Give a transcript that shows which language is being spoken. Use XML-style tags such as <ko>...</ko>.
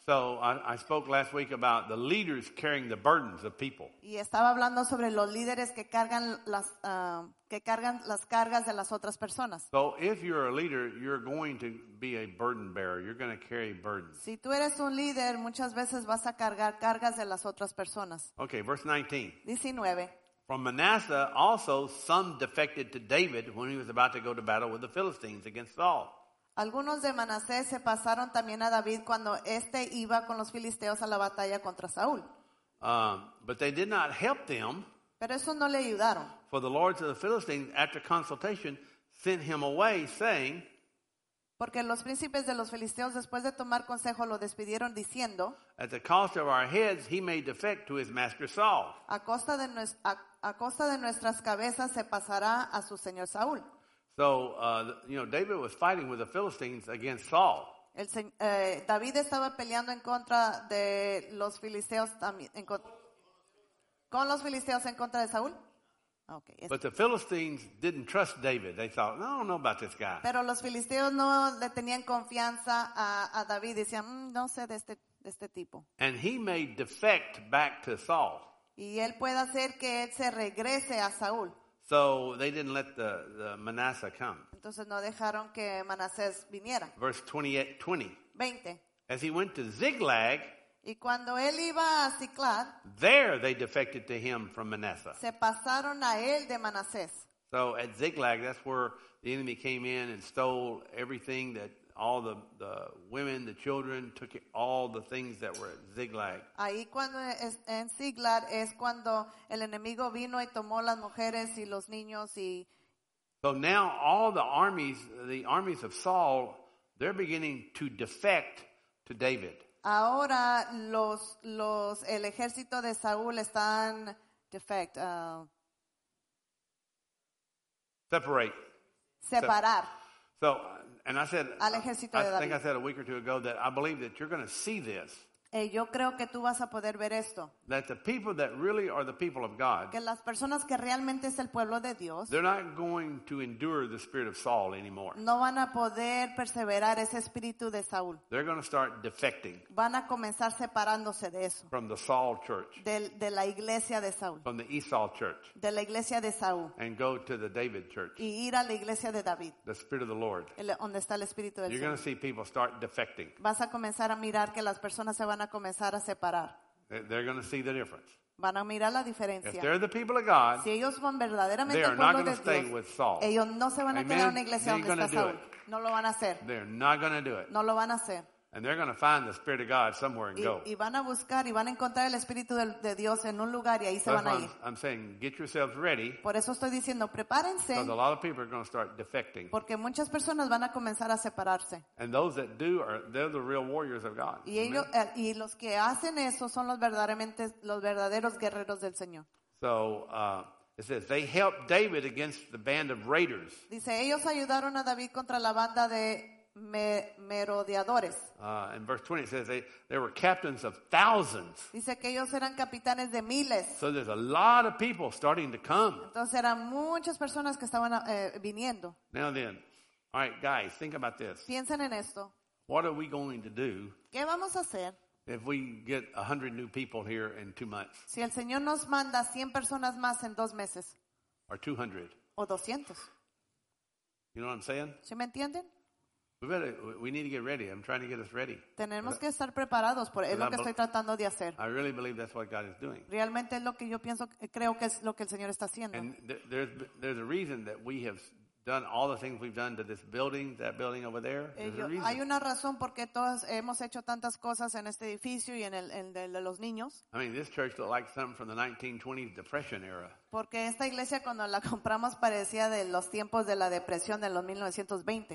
<en>So I spoke last week about the leaders carrying the burdens of people.</en> <es>Y estaba hablando sobre los líderes que cargan las cargas de las otras personas.</es> <en>So if you're a leader, you're going to be a burden bearer. You're going to carry burdens.</en> <es>Si tú eres un líder, muchas veces vas a cargar cargas de las otras personas.</es> <en>Okay, verse 19. 19. From Manasseh also some defected to David when he was about to go to battle with the Philistines against Saul.</en> <es>Algunos de Manasés se pasaron también a David cuando este iba con los filisteos a la batalla contra Saúl.</es> <en>But they did not help them.</en> <es>Pero eso no le ayudaron.</es> <en>For the lords of the Philistines, after consultation, sent him away, saying.</en> <es>Porque los príncipes de los filisteos, después de tomar consejo, lo despidieron diciendo.</es> <en>At the cost of our heads, he may defect to his master Saul.</en> <es>A costa de nuestras cabezas, se pasará a su señor Saúl.</es> <en>So, you know, David was fighting with the Philistines against Saul.</en> <es>David estaba peleando en contra de los filisteos también. ¿Con los filisteos en contra de Saúl? Okay.</es> <en>But the Philistines didn't trust David. They thought, no, I don't know about this guy.</en> <es>Pero los filisteos no le tenían confianza a David. Decían, no sé de este tipo.</es> <en>And he may defect back to Saul.</en> <es>y él puede hacer que él se regrese a Saúl.</es> <en>So they didn't let the Manasseh come.</en> <es>Entonces no dejaron que Manasés viniera.</es> <en>Verse 20. As he went to Ziklag,</en> <es>y cuando él iba a Ziklag,</es> <en>there they defected to him from Manasseh.</en> <es>Se pasaron a él de Manasés.</es> <en>So at Ziklag, that's where the enemy came in and stole everything, that all the women, the children, took it, all the things that were at Ziklag.</en> <es>Ahí cuando es, en Ziklag es cuando el enemigo vino y tomó las mujeres y los niños y.</es> <en>So now all the armies of Saul, they're beginning to defect to David.</en> <es>Ahora los el ejército de Saúl están defect.</es> <en>Separate.</en> <es>Separar.</es> <en>So, and I said, I said a week or two ago that I believe that you're going to see this.</en> <es>Yo creo que tú vas a poder ver esto.</es> <en>That the people that really are the people of God,</en> <es>que las personas que realmente es el pueblo de Dios,</es> <en>they're not going to endure the spirit of Saul anymore.</en> <es>No van a poder perseverar ese espíritu de Saúl.</es> <en>They're going to start defecting.</en> <es>Van a comenzar separándose de eso.</es> <en>From the Saul church.</en> <es>De la iglesia de Saúl.</es> <en>From the Esau church.</en> <es>De la iglesia de Saúl.</es> <en>And go to the David church.</en> <es>Y ir a la iglesia de David.</es> <en>The spirit of the Lord.</en> <es>Donde está el espíritu del Señor.</es> <en>You're going to see people start defecting.</en> <es>Vas a comenzar a mirar que las personas se van a comenzar a separar.</es> <en>They're going to see the difference.</en> <es>Van a mirar la diferencia.</es> <en>If they're the people of God,</en> <es>si ellos son verdaderamente</es> <en>they are not going to</en> <es>Dios,</es> <en>stay with Saul.</en> <es>Ellos no se van a quedar en una iglesia donde está Saul. No lo van a hacer.</es> <en>They're not going to do it.</en> <es>No lo van a hacer.</es> <en>And they're going to find the Spirit of God somewhere and go.</en> <es>Y van a buscar y van a encontrar el Espíritu de Dios en un lugar y ahí se van a ir.</es> <en>I'm saying, get yourselves ready.</en> <es>Por eso estoy diciendo, prepárense.</es> <en>Because a lot of people are going to start defecting.</en> <es>Porque muchas personas van a comenzar a separarse.</es> <en>And those that do are, they're the real warriors of God.</en> <es>Y los que hacen eso son los verdaderos guerreros del Señor.</es> <en>So, it says, they helped David against the band of raiders.</en> <es>Dice, ellos ayudaron a David contra la banda de merodeadores.</es> <en>In verse 20 it says they were captains of thousands.</en> <es>Dice que ellos eran capitanes de miles.</es> <en>So there's a lot of people starting to come.</en> <es>Entonces eran muchas personas que estaban viniendo.</es> <en>Now then, all right, guys, think about this.</en> <es>Piensen en esto.</es> <en>What are we going to do?</en> <es>¿Qué vamos a hacer?</es> <en>If we get 100 new people here in 2 months.</en> <es>Si el Señor nos manda 100 personas más en 2 meses.</es> <en>Or 200.</en> <es>O 200.</es> <en>You know what I'm saying?</en> <es>¿Sí me entienden?</es> <en>We need to get ready. I'm trying to get us ready.</en> <es>Tenemos que estar preparados. Por es lo que estoy tratando de hacer.</es> <en>I really believe that's what God is doing.</en> <es>Realmente es lo que yo pienso. Creo que es lo que el Señor está haciendo.</es> <en>And there's a reason that we have done all the things we've done to this building, that building over there.</en> <es>Hay una razón porque todos hemos hecho tantas cosas en este edificio y en el de los niños.</es> <en>I mean, this church looked like something from the 1920s depression era.</en> <es>Porque esta iglesia cuando la compramos parecía de los tiempos de la depresión de los 1920.</es>